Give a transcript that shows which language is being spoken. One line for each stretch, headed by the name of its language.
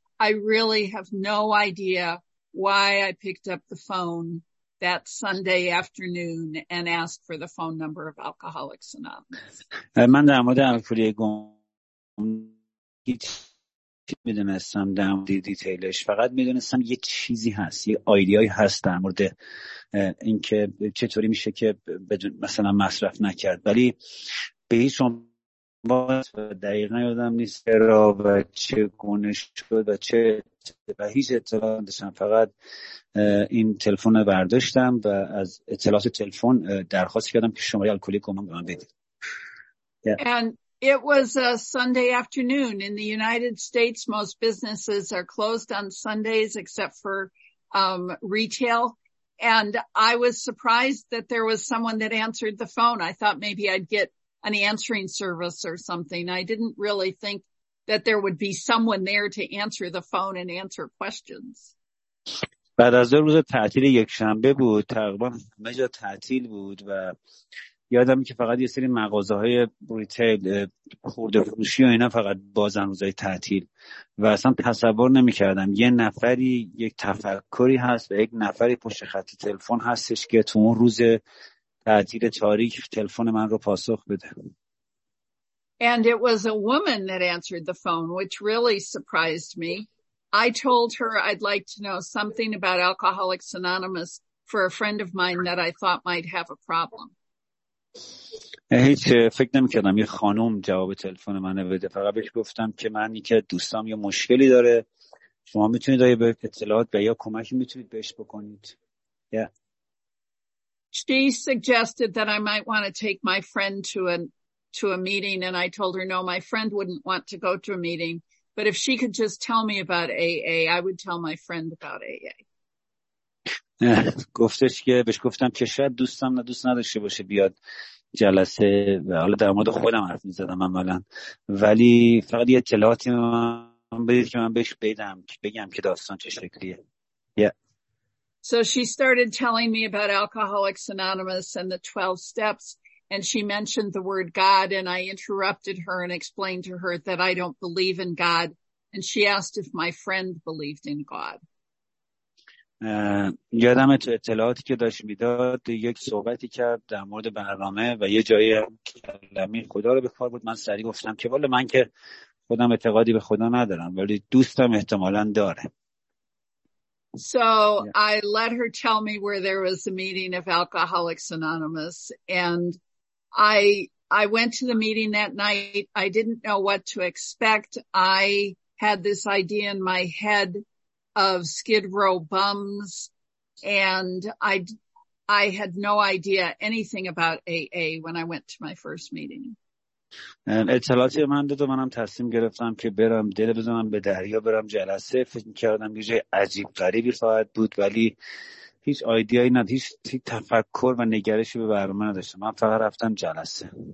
English: I really have no idea why I picked up the phone that Sunday afternoon and asked for the phone number of Alcoholics Anonymous.
Persian: میدونستم در مورد دیتیلش، فقط میدونستم یه چیزی هست، یه آیدیایی هست در مورد این که چطوری میشه که مثلا مصرف نکرد، ولی به هیچ عنوان دقیقا یادم نیست چرا و چه گونه شد و چه و هیچ اطلاعی نداشتم. فقط این تلفن رو برداشتم و از اطلاعات تلفن درخواست کردم که شماره الکلیک رو به من بدید.
English: It was a Sunday afternoon. In the United States, most businesses are closed on Sundays except for retail. And I was surprised that there was someone that answered the phone. I thought maybe I'd get an answering service or something. I didn't really think that there would be someone there to answer the phone and answer questions.
Persian: بعد از روز تعطیل یک شنبه بود، تقریبا مجا تعطیل بود و یادم که فقط یه سری مغازه های ریتیل خورده فروشی و اینا فقط بازن روزای تعطیل و اصلا تصور نمی کردم یه نفری یک تفکری هست و یک نفری پشت خط تلفن هستش که تو اون روز تعطیل تاریک تلفن من رو پاسخ بده.
English: And it was a woman that answered the phone, which really surprised me. I told her I'd like to know something about Alcoholics Anonymous for a friend of mine that I thought might have a problem.
Persian: هیچ فکر نمی کردم یه خانم جواب تلفن منو بده، فقط بهش گفتم که من اینکه دوستام یه مشکلی داره، شما میتونید آیا به اطلاعات و یا کمکی میتونید بهش بکنید.
English: She suggested that I might want to take my friend to a meeting and I told her no, my friend wouldn't want to go to a meeting, but if she could just tell me about AA, I would tell my friend about AA.
Persian: گفتش که بهش گفتم که شاید دوستم دوست نداشته باشه بیاد جلسه و حالا در مورد خودم حرف میزدم عملا، ولی فقط یه اطلاعاتی من بدید که من بهش بدم که بگم که داستان چه شکلیه.
English: So she started telling me about Alcoholics Anonymous and the 12 steps and she mentioned the word God and I interrupted her and explained to her that I don't believe in God and she asked if my friend believed in God.
Persian: یادم تو اطلاعاتی که داشت میداد یک صحبتی کرد در مورد برنامه و یه جایی کلمه خدا رو به کار بود، من سریع گفتم که والا من که خودم اعتقادی به خدا ندارم ولی دوستم احتمالاً داره.
English: So I let her tell me where there was a meeting of Alcoholics Anonymous and I went to the meeting that night. I didn't know what to expect. I had this idea in my head of Skid Row bums and I had no idea anything about AA when I went to my first meeting.
Persian: اطلاعاتی من داد و منم تصمیم گرفتم که برم دل بزنم به دریا برم جلسه. فکر کردم یه جای عجیب غریبی خواهد بود ولی هیچ آیدیایی نداشتم، هیچ تفکر و نگرشی به برنامه نداشتم، من فقط رفتم جلسه.